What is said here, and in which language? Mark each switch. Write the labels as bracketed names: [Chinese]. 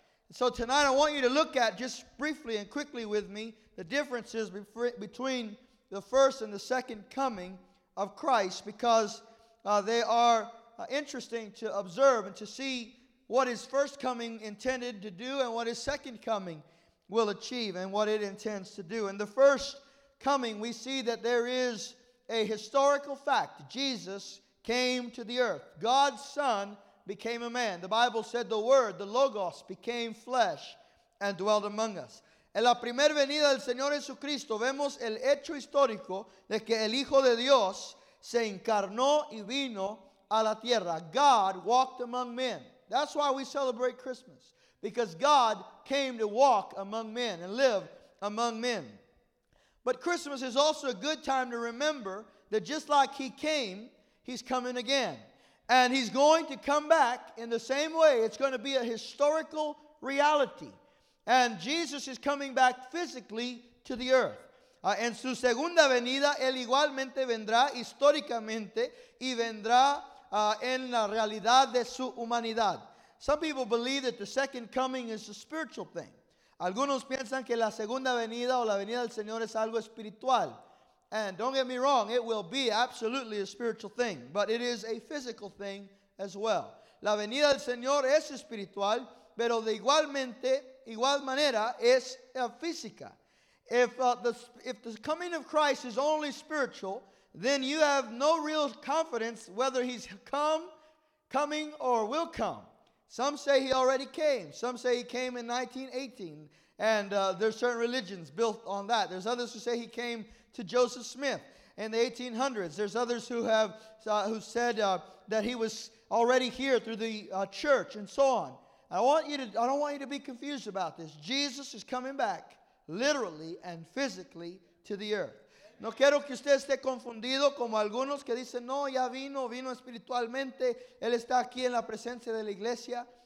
[English] So tonight I want you to look at, just briefly and quickly with me, the differences between the first and the second coming of Christ, because they are interesting to observe and to see what His first coming intended to do and what His second coming will achieve and what it intends to do. In the first coming, we see that there is a historical fact. Jesus came to the earth. God's Son became a man. The Bible said the Word, the Logos, became flesh and dwelt among us. [Spanish] En la primera venida del Señor Jesucristo, vemos el hecho histórico de que el Hijo de Dios se encarnó y vino a la tierra. [English] God walked among men. That's why we celebrate Christmas, because God came to walk among men and live among men. But Christmas is also a good time to remember that just like He came, He's coming again. And He's going to come back in the same way. It's going to be a historical reality. And Jesus is coming back physically to the earth. [Spanish] En su segunda venida, Él igualmente vendrá históricamente y vendrá en la realidad de su humanidad. [English] Some people believe that the second coming is a spiritual thing. [Spanish] Algunos piensan que la segunda venida o la venida del Señor es algo espiritual. [English] And don't get me wrong, it will be absolutely a spiritual thing, but it is a physical thing as well. [Spanish] La venida del Señor es espiritual, pero de igual manera es física. [English] If the coming of Christ is only spiritual, then you have no real confidence whether He's coming or will come. Some say He already came. Some say He came in 1918, and there's certain religions built on that. There's others who say He came to Joseph Smith in the 1800s. There's others who have who said that He was already here through the church and so on. I don't want you to be confused about this. Jesus is coming back literally and physically to the earth. [Spanish] No quiero que usted esté confundido como algunos que dicen, no, ya vino espiritualmente. Él está aquí en la presencia de la iglesia.